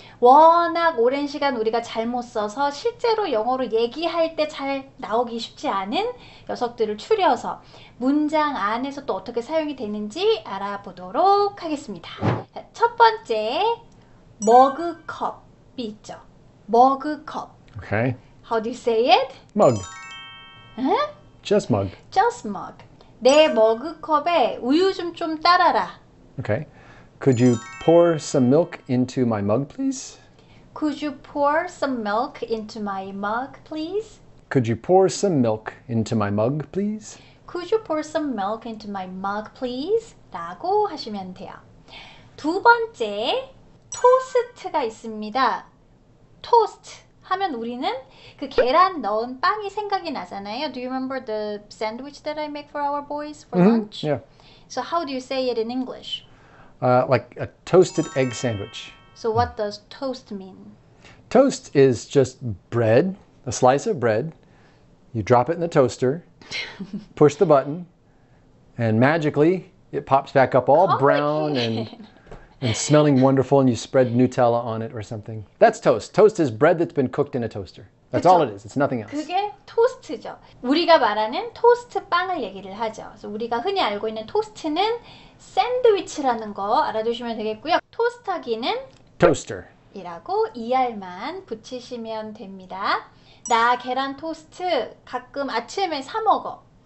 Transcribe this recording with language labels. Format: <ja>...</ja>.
<ko>워낙 오랜 시간 우리가 잘못 써서 실제로 영어로 얘기할 때잘 나오기 쉽지 않은 녀석들을 추려서 문장 안에서 또 어떻게 사용이 되는지 알아보도록 하겠습니다. 첫 번째, 머그컵이 있죠. 머그컵.</ko> <en>Okay. How do you say it? Mug.</en> <ko>응?</ko> <en>Just mug. Just mug.</en> <ko>내 머그컵에 우유 좀 따라라.</ko> <en>Okay. Could you pour some milk into my mug, please? Could you pour some milk into my mug, please? Could you pour some milk into my mug, please? Could you pour some milk into my mug, please?</en> <ko>라고 하시면 돼요. 두 번째, 토스트가 있습니다. 토스트. 하면 우리는 그 계란 넣은 빵이 생각이 나잖아요.</ko> <en>Do you remember the sandwich that I make for our boys for lunch? So how do you say it in English? Like a toasted egg sandwich. So what does toast mean? Toast is just bread, a slice of bread. You drop it in the toaster, push the button, and magically it pops back up all brown Complicated. and smelling wonderful, and you spread Nutella on it or something. That's toast. Toast is bread that's been cooked in a toaster. That's all it</en> <ko>그쵸?</ko> <en>is. It's nothing else.</en> <ko>그게 토스트죠. 우리가 말하는 토스트 빵을 얘기를 하죠. 그래서 우리가 흔히 알고 있는 토스트는 샌드위치라는 거 알아두시면 되겠고요. 토스터. 토스터기는이라고 ER만 붙이시면 됩니다. 나 계란 토스트 가끔 아침에 사 먹어.</ko>